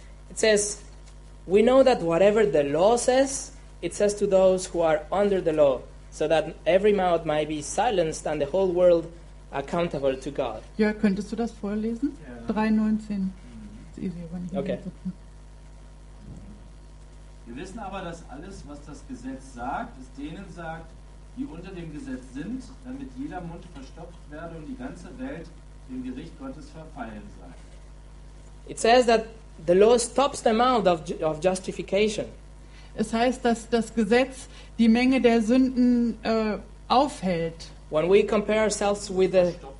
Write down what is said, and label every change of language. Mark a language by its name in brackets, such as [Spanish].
[English] It says, we know that whatever the law says, it says to those who are under the law. So that every mouth might be silenced and the whole world accountable to God. [German] Ja, könntest du das vorlesen? [English] Yeah. 3:19. Okay. [German] Wir wissen aber, dass alles, was das Gesetz sagt, es denen sagt, die unter dem Gesetz sind, damit jeder Mund verstopft werde und die ganze Welt dem Gericht Gottes verfallen sei. [English] It says that the law stops the amount of justification. [German] Es heißt, dass das Gesetz die Menge der Sünden aufhält. [English] When we compare ourselves with the